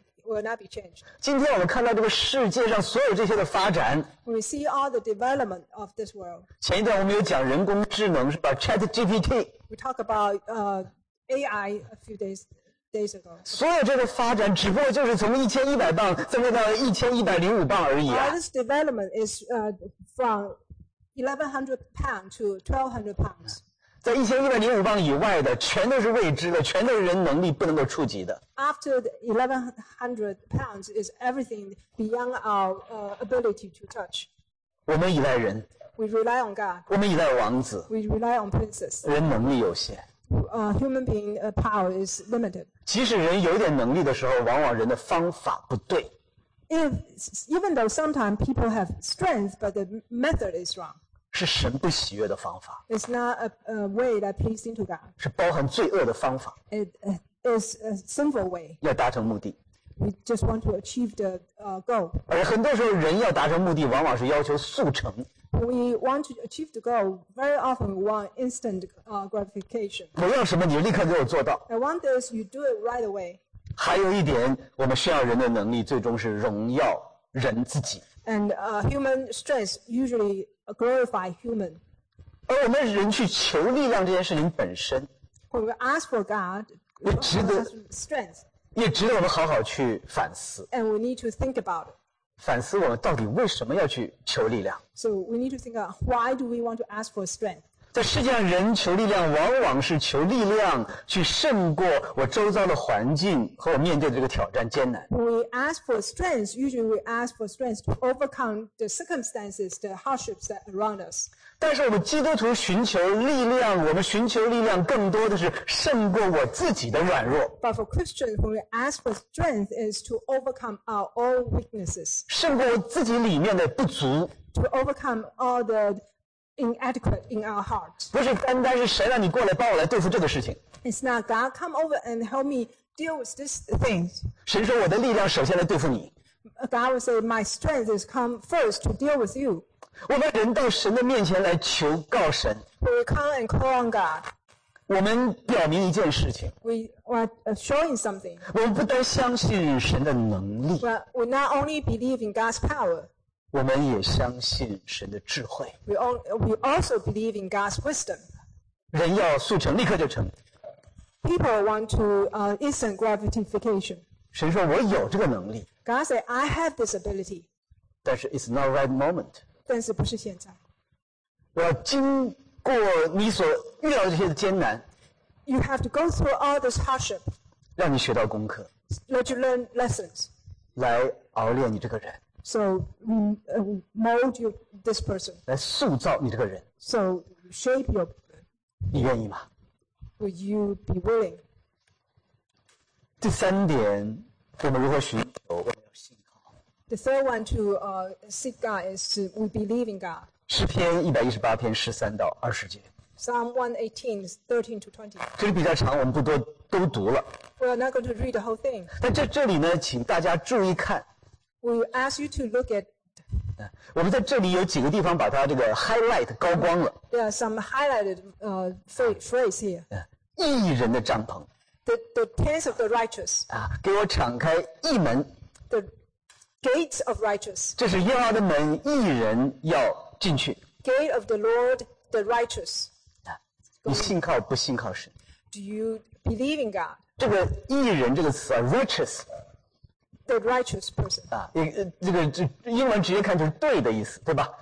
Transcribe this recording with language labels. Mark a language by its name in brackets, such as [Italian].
[English] Will not be changed. [Chinese] 今天我们看到这个世界上所有这些的发展。 [English] We see all the development of this world. [Chinese] 前一段我们有讲人工智能，是吧 ？ChatGPT. [English] We talk about AI a few days ago. [Chinese] 所有这个发展只不过就是从1100磅增加到1105磅而已啊。 [English] This development is from 1100 pounds to 1200 pounds. [Chinese] 在1105磅以外的全都是未知的，全都是人能力不能够触及的。 [English] After the 1100 pounds is everything beyond our ability to touch. [Chinese] 我们依赖人。 [English] We rely on God. [Chinese] 我们依赖王子。 [English] We rely on princes. [Chinese] 人能力有限。 [English] Human being power is limited. [Chinese] 即使人有点能力的时候，往往人的方法不对。 [English] Even though sometimes people have strength, but the method is wrong. [Chinese] 是神不喜悦的方法。 [English] It's not a way that pleasing to God. [Chinese] 是包含罪恶的方法。 [English] It is a sinful way. [Chinese] 要达成目的。 [English] We just want to achieve the goal. [Chinese] 而很多时候，人要达成目的，往往是要求速成。 [English] We want to achieve the goal. Very often, we want instant gratification. [Chinese] 我要什么，你立刻给我做到。 [English] I want this. You do it right away. [Chinese] 还有一点，我们需要人的能力，最终是荣耀人自己。 [English] And human strength usually glorify human. [Chinese] 而我们人去求力量这件事情本身 [English] ，When we ask for God, [Chinese] 也值得 [English] strength， [Chinese] 也值得我们好好去反思。 [English] And we need to think about it. [Chinese] 反思我们到底为什么要去求力量 [English] ？So we need to think about why do we want to ask for strength？ [Chinese] 在世界上，人求力量往往是求力量去胜过我周遭的环境和我面对的这个挑战艰难。 [English] We ask for strength. Usually, we ask for strength to overcome the circumstances, the hardships that around us. [Chinese] 但是我们基督徒寻求力量，我们寻求力量更多的是胜过我自己的软弱。 [English] But for Christians, when we ask for strength, is to overcome our own weaknesses. [Chinese] 胜过自己里面的不足。 [English] To overcome all the inadequate in our hearts. [Chinese] 不是单单是神让你过来帮我来对付这个事情。 [English] It's not God come over and help me deal with this thing. [Chinese] 神说我的力量首先来对付你。 [English] God will say my strength is come first to deal with you. [Chinese] 我们人到神的面前来求告神。 [English] We come and call on God. [Chinese] 我们表明一件事情。 [English] We are showing something. [Chinese] 我们不单相信神的能力。 [English] But we not only believe in God's power. [Chinese] 我们也相信神的智慧。 [English] We also believe in God's wisdom. [Chinese] 人要速成，立刻就成。 [English] People want to instant gratification. [Chinese] 神说我有这个能力。 [English] God said I have this ability. [Chinese] 但是 [English] it's not right moment. [Chinese] 但是不是现在？我要经过你所遇到的这些艰难。 [English] You have to go through all this hardship. [Chinese] 让你学到功课。 [English] Let you learn lessons. [Chinese] 来熬炼你这个人。 [English] So mold you this person. [Chinese] 来塑造你这个人。 [English] So shape your. [Chinese] 你愿意吗 [English] ？Would you be willing? [Chinese] 第三点，我们如何寻求？ [English] The third one to seek God is to we believe in God. [Chinese] 诗篇118篇13到20节。 [English] Psalm 118, 13 to 20. [Chinese] 这里比较长，我们不多都读了。 [English] We're not going to read the whole thing. [Chinese] 但这里呢，请大家注意看。 [English] We ask you to look at. [Chinese] 我们在这里有几个地方把它这个 highlight 高光了。 [English] There are some highlighted phrase here. [Chinese] 义人的帐篷。 [English] The tents of the righteous. [Chinese] 给我敞开义门。 [English] Gates of righteous. [Chinese] 这是耶和华的门，义人要进去。 [English] Gate of the Lord, the righteous. [Chinese] 你信靠不信靠神 [English] ？Do you believe in God? [Chinese] 这个义人这个词啊 ，righteous. [English] The righteous person. [Chinese] 这个英文直接看就是对的意思，对吧